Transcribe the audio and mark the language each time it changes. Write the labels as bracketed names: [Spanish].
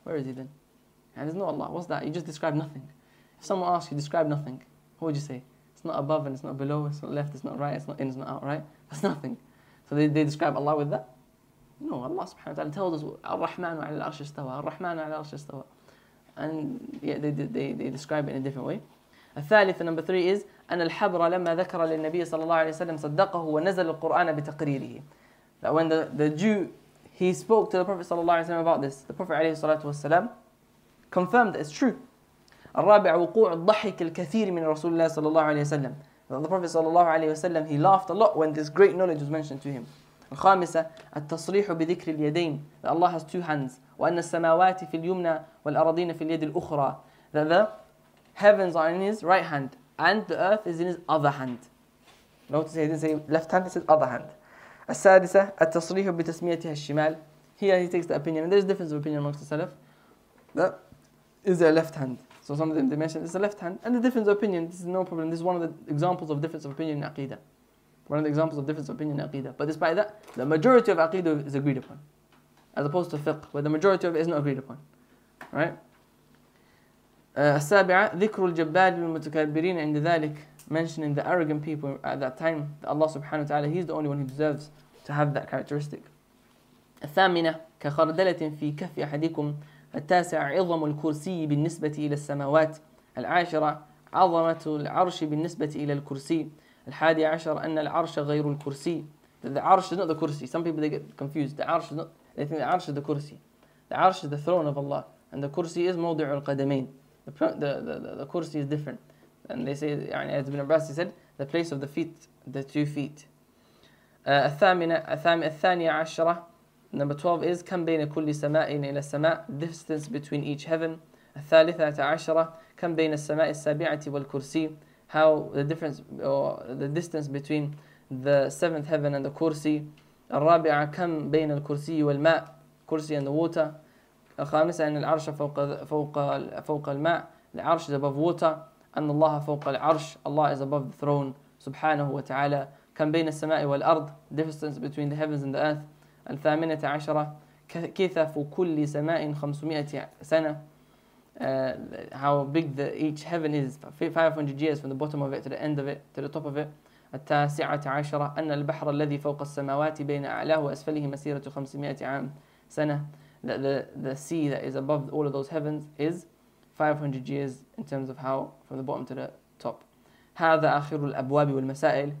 [English] Where is He then? And there's no Allah. What's that? You just describe nothing. If someone asks you, describe nothing. What would you say? It's not above and it's not below, it's not left, it's not right, it's not in, it's not out, right? That's nothing. So they describe Allah with that? No, Allah subhanahu wa ta'ala tells us, [Arabic] Ar-Rahman wa'ala al-Arsh istawa, [English] Ar-Rahman wa'ala al-Arsh istawa. And yeah, they describe it in a different way. [Arabic] الثالث, [English] number three is [Arabic] أن الحبر لما ذكر للنبي صلى الله عليه وسلم صدقه ونزل القرآن بتقريره. [English] That when the Jew he spoke to the Prophet صلى الله عليه وسلم about this, the Prophet عليه الصلاة والسلام confirmed that it's true. [Arabic] الرابع وقوع الضحك الكثير من رسول الله صلى الله عليه وسلم. [English] The Prophet صلى الله عليه وسلم he laughed a lot when this great knowledge was mentioned to him. [Arabic] الخامسة التصريح بذكر اليدين. [English] That Allah has two hands. [Arabic] وأن السماوات في اليمنى والأراضين في اليد الأخرى. [English] That the heavens are in his right hand and the earth is in his other hand. Notice he didn't say left hand, he said other hand. [Arabic] السادسة التصريح بتسميتها الشمال. [English] Here he takes the opinion, and there's a difference of opinion amongst the Salaf. That is a left hand. So some of them they mentioned it's a left hand. And the difference of opinion, this is no problem. This is one of the examples of difference of opinion in Aqidah. One of the examples of difference of opinion in Aqidah. But despite that, the majority of Aqidah is agreed upon. As opposed to fiqh, where the majority of it is not agreed upon. Right? [Arabic] السابعة ذكر الجبال المتكبرين عند ذلك. [English] Mentioning the arrogant people at that time, that Allah subhanahu wa ta'ala, He's the only one who deserves to have that characteristic. [Arabic] الثامنة كخردلة في كف أحدكم. التاسع عظم الكرسي بالنسبة إلى السماوات. العاشرة عظمة العرش بالنسبة إلى الكرسي. الحادي عشر أن العرش غير الكرسي. [English] The عرش is not the كرسي. Some people they get confused. The عرش is not. They think the عرش is the كرسي. The عرش is the throne of Allah, and the كرسي is [Arabic] موضع القدمين. [English] The كرسي is different, and they say, يعني, as Ibn Abbas said, the place of the feet, the two feet. [Arabic] الثانية عشرة, [English] number 12 is [Arabic] كم بين كل سماء إلى السماء, [English] distance between each heaven. [Arabic] الثالثة عشرة كم بين السماء السابعة والكرسي, [English] how the difference or the distance between the seventh heaven and the كرسي. [Arabic] الرابعة كم بين الكرسي والماء, كرسي [English] and the water. [Arabic] الخامسة أن العرش فوق الماء, the عرش [English] is above water. [Arabic] أن الله فوق العرش, [English] Allah is above the throne [Arabic] سبحانه وتعالى. كم بين السماء والأرض, [English] distance between the heavens and the earth. [Arabic] الثامنة عشرة كثف كل سماء 500 سنة, [English] how big each heaven is, 500 years from the bottom of it to the end of it to the top of it. [Arabic] التاسعة عشرة أن البحر الذي فوق السماوات بين أعلاه وأسفله مسيرة 500 عام سنة. [English] The sea that is above all of those heavens is 500 years in terms of how from the bottom to the top. [Arabic] هذا آخر الأبواب والمسائل.